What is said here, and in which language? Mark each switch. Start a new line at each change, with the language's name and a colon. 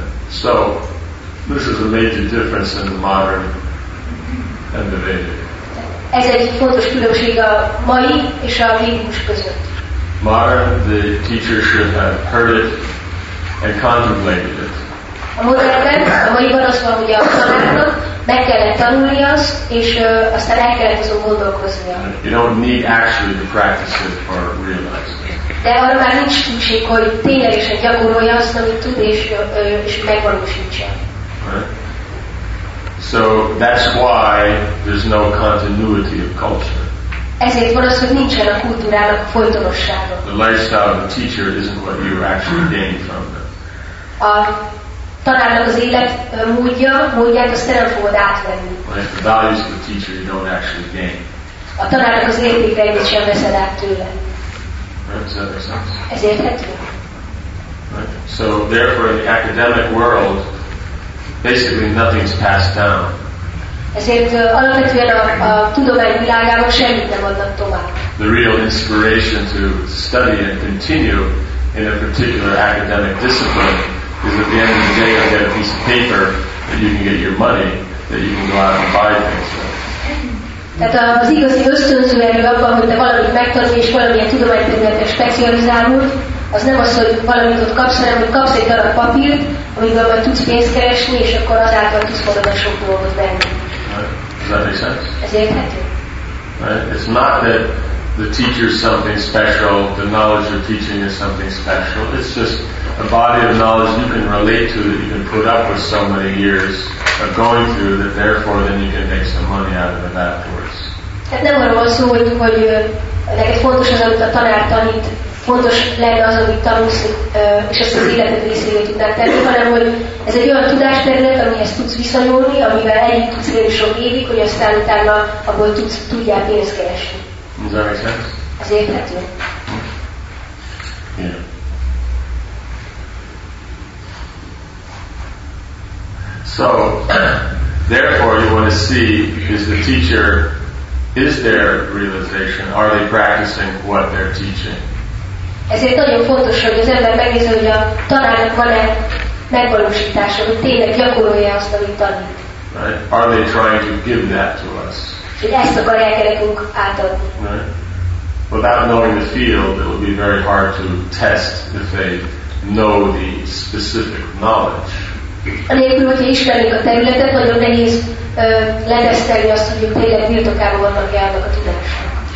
English: So, this is a major difference in the modern and the Vedic.
Hungarian: Ez egy fontos különbség a mai és a védikus között.
English: Modern, the teacher should have heard it and contemplated it.
Hungarian: A modernben, a maiban az van, hogy a tanárnak meg kellett tanulni azt, és aztán el kellett azon gondolkoznia.
English: You don't need actually to practice it or realize it.
Hungarian: De arra már nincs szükség, hogy ténylegesen gyakorolja azt, amit tud, és megvalósítsa.
English: So that's why there's no continuity of culture.
Hungarian: Ezért van az, hogy nincsen a kultúrának folytonossága.
English: The lifestyle of the teacher isn't what you're actually gaining from them.
Hungarian: A tanárnak az élet módját azt te nem fogod átvenni.
English: Right. The values of the teacher you don't actually gain.
Hungarian: A tanárnak az értékeit sem veszed át tőle.
English: Right, does that make sense? Right. So therefore in the academic world, basically nothing's passed down.
Hungarian: Ezért alapvetően a tudomány világában semmit nem adnak tovább.
English: The real inspiration to study and continue in a particular academic discipline is at the end of the day you get a piece of paper that you can get your money, that you can go out and buy things with.
Hungarian: Tehát az igazi ösztönző erő abban, hogy te valamit megtanulj és valamilyen tudományterületre specializálod, az nem az, hogy valamit ott kapsz, hanem hogy kapsz egy darab papírt, amivel majd tudsz pénzt keresni, és akkor azáltal tudsz magadnak sok dolgot venni.
English: Right. Does that make sense?
Hungarian: Ez érthető.
English: Right. It's not that the teacher is something special, the knowledge you're teaching is something special. It's just a body of knowledge you can relate to, that you can put up with so many years of going through, that therefore then you can make some money out of it afterwards.
Hungarian: Tehát nem arról szó, hogy neked fontos az, amit a tanár tanít, fontos lenne az, amit tanulsz, és ezt az életed részévé tudnád tenni, hanem hogy ez egy olyan tudásterület, amihez tudsz viszonyulni, amivel elég tudsz élni sok évig, hogy aztán utána abból tudjál pénzt keresni.
English: Does that make sense?
Hungarian: Ez érthető.
English: So, therefore you want to see, is the teacher, is their realization, are they practicing what they're teaching?
Hungarian: Ezért nagyon fontos, hogy az ember megnézze, hogy a tanárnak van-e megvalósítása, hogy tényleg gyakorolja azt, amit tanít.
English: Right? Are they trying to give that to us?
Hungarian: Hogy ezt akarják-e nekünk átadni.
English: Right? Without knowing the field, it would be very hard to test if they know the specific knowledge.
Hungarian: Anélkül, hogyha ismerjük a területet, nagyon nehéz leteszteni azt, hogy tényleg birtokában vannak járnak a tudásnak.